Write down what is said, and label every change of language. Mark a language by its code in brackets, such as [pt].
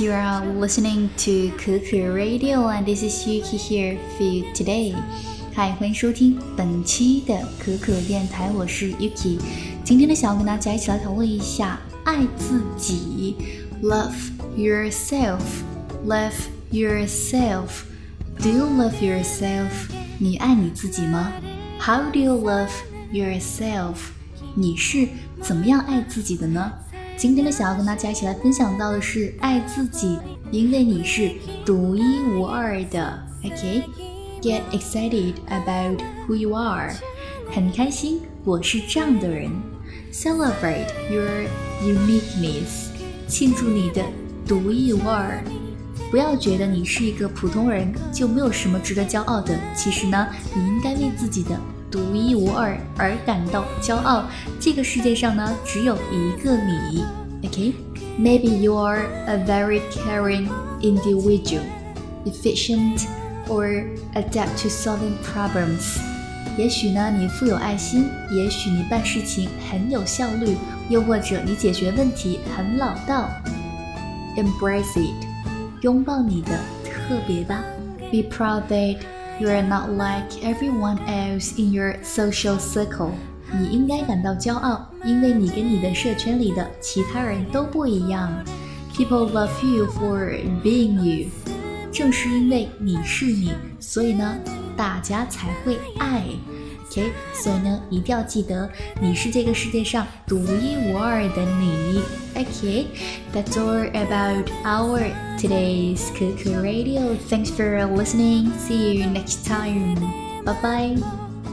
[en] You are listening to Cuckoo Radio, and this is Yuki here for you today. [zh] Hi, 欢迎收听本期的可可电台，我是 Yuki。今天呢，想要跟大家一起来讨论一下爱自己 ， [en] Love yourself, love yourself. Do you love yourself? [zh] 你爱你自己吗 ？ [en] How do you love yourself? [zh] 你是怎么样爱自己的呢？今天呢，想要跟大家一起来分享到的是爱自己，因为你是独一无二的。 [en] Okay, get excited about who you are. [zh] 很开心，我是这样的人。 [en] Celebrate your uniqueness. [zh] 庆祝你的独一无二。不要觉得你是一个普通人就没有什么值得骄傲的。其实呢，你应该为自己的独一无二而感到骄傲，这个世界上呢只有一个你。 [en] Okay, maybe you are a very caring individual, efficient or adapt to solving problems. [zh] 也许呢你富有爱心，也许你办事情很有效率，又或者你解决问题很老道。 [en] Embrace it, [zh] 拥抱你的特别吧。 [en] Be proud of itYou are not like everyone else in your social circle. [zh] 你应该感到骄傲，因为你跟你的社圈里的其他人都不一样。 [en] People love you for being you. [zh] 正是因为你是你，所以呢，大家才会爱。 Okay, 所以呢，一定要记得，你是这个世界上独一无二的你。 [en] Okay, that's all about our today's Cuckoo Radio. Thanks for listening. See you next time. Bye-bye.